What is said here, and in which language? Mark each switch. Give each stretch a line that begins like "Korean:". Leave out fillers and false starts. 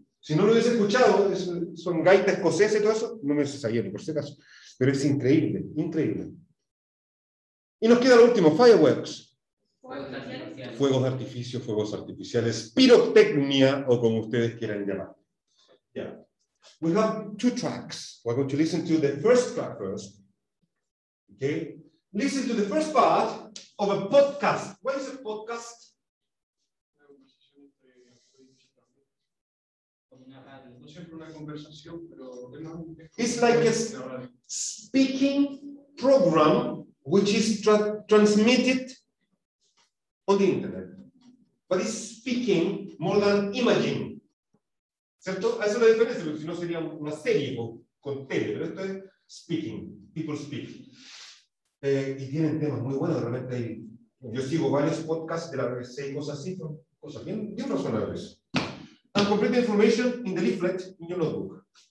Spanish: Si no lo hubiese escuchado, son gaitas escocesas y todo eso, no me hubiese sabido ni por si acaso. Pero es increíble, increíble. Y nos queda lo último, fireworks. Fuegos de artificio, fuegos artificiales, pirotecnia, o como ustedes quieran llamar.
English: Yeah. We have two tracks. We're going to listen to the first track first. Okay. Listen to the first part of a podcast. What is a podcast? It's like a speaking program which is transmitted on the internet, but it's speaking more than imaging.
Spanish: ¿Cierto? Eso es la diferencia, porque si no sería una serie con tele, pero esto es speaking,
English: people speak.
Spanish: Y tienen temas muy buenos, realmente. Yo sigo varios podcasts de la BBC y cosas así, cosas bien, bien razonables.
English: And complete information in the leaflet in your notebook.